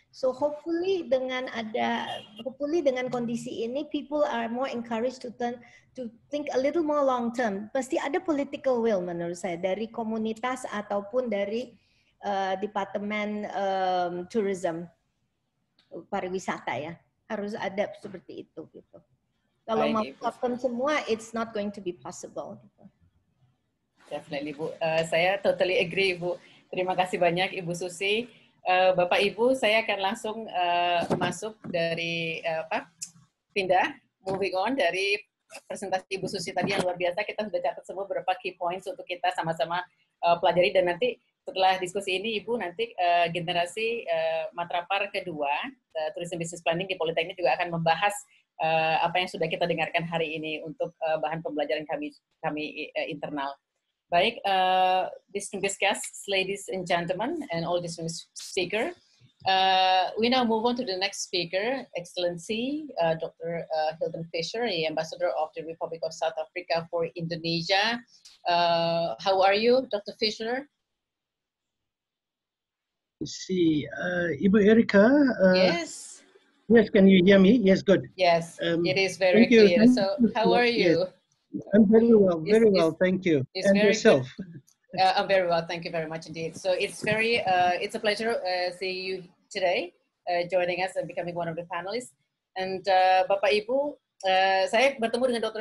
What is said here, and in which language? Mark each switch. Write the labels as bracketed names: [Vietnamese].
[English] So hopefully [Indonesian] dengan kondisi ini, [English] people are more encouraged to think a little more long term. [Indonesian] Pasti ada [English] political will [Indonesian] menurut saya dari komunitas ataupun dari departemen tourism pariwisata ya, harus ada seperti itu gitu. Kalau mau short term semua, [English] it's not going to be possible. Definitely [Indonesian] Bu, saya [English] totally agree [Indonesian] Bu. Terima kasih banyak Ibu Susi. Bapak Ibu, saya akan langsung masuk dari pindah, [English] moving on [Indonesian] dari presentasi Ibu Susi tadi yang luar biasa. Kita sudah catat semua beberapa [English] key points [Indonesian] untuk kita sama-sama pelajari, dan nanti setelah diskusi ini Ibu, nanti generasi matrapar kedua Tourism Business Planning di Politeknik juga akan membahas apa yang sudah kita dengarkan hari ini untuk bahan pembelajaran kami internal. Baik, [English] distinguished guests, ladies and gentlemen, and all distinguished speakers, we now move on to the next speaker, Excellency Dr. Hilton Fisher, the Ambassador of the Republic of South Africa for Indonesia. How are you, Dr. Fisher? See, Ibu Erika. Yes. Yes, can you hear me? Yes, good. Yes, it is very clear. You. So, how are you? Yes. I'm very well, thank you. And yourself? I'm very well, thank you very much indeed. So it's very, it's a pleasure seeing you today, joining us and becoming one of the panelists. [Indonesian] And Bapak Ibu, saya bertemu dengan Dr.